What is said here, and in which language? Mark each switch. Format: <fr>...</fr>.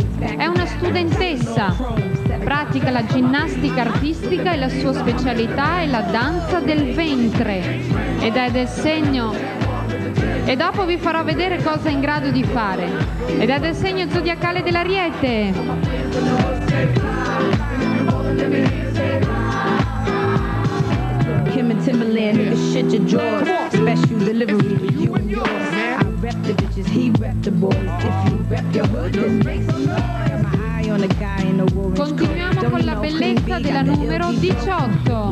<it>È una studentessa, pratica la ginnastica artistica e la sua specialità è la danza del ventre ed è del segno. E dopo vi farò vedere cosa è in grado di fare. Ed è del segno zodiacale dell'Ariete.</it> <en>Kim and Timberland, nigga, shit your jaws. Special delivery to you and yours. I rep the bitches, he rep the boys. If you rep your hood, just make some noise. I'm high on a guy in a world.</en> <it>Continuiamo con la bellezza della numero 18.</it>